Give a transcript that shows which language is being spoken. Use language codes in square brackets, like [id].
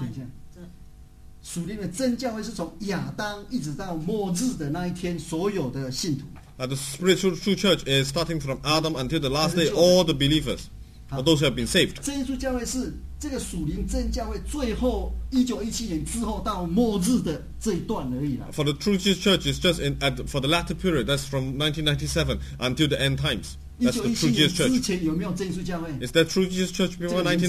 [zh] 等一下，属灵的真教会是从亚当一直到末日的那一天，所有的信徒。 [en] The spiritual true church is starting from Adam until the last day, all the believers, all those who have been saved. [zh] 真耶稣教会是这个属灵真教会最后1917年之后到末日的这一段而已啦。 [en] For the true Jesus church is just in at for the latter period, that's from 1997 until the end times. That's the true Jesus church. Is that true Jesus church before